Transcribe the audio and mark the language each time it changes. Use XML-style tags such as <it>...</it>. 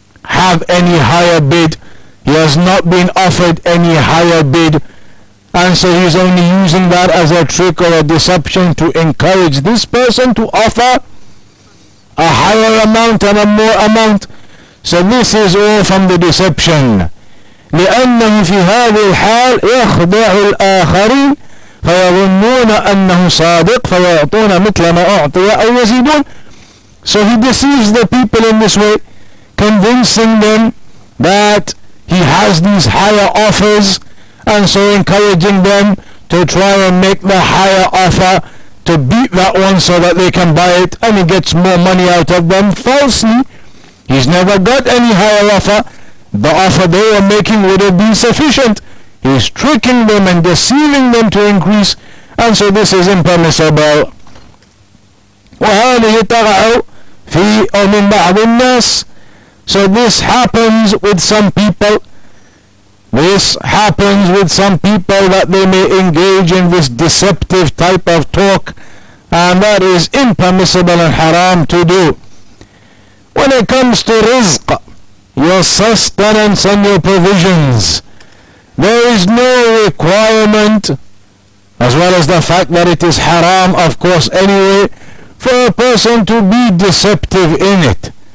<en>have any higher bid. He has not been offered any higher bid. And so he's only using that as a trick or a deception to encourage this person to offer a higher amount and a more amount. So this is all from the deception.</en> <ar>لأنه في هذه الحال يخدع الآخرين فيظنون أنه صادق فيعطون مثل ما أعطي أو يزيدون.</ar> <en>So he deceives the people in this way, convincing them that he has these higher offers, and so encouraging them to try and make the higher offer to beat that one so that they can buy it, and he gets more money out of them. Falsely, he's never got any higher offer. The offer they were making would have been sufficient. He's tricking them and deceiving them to increase, and so this is impermissible.</en> <ar>وهذه تغعو في أو من بعض الناس.</ar> <en>So this happens with some people. This happens with some people that they may engage in this deceptive type of talk, and that is impermissible and haram to do. When it comes to rizq, your sustenance and your provisions, there is no requirement, as well as the fact that it is haram, of course, anyway, for a person to be deceptive in it.</en>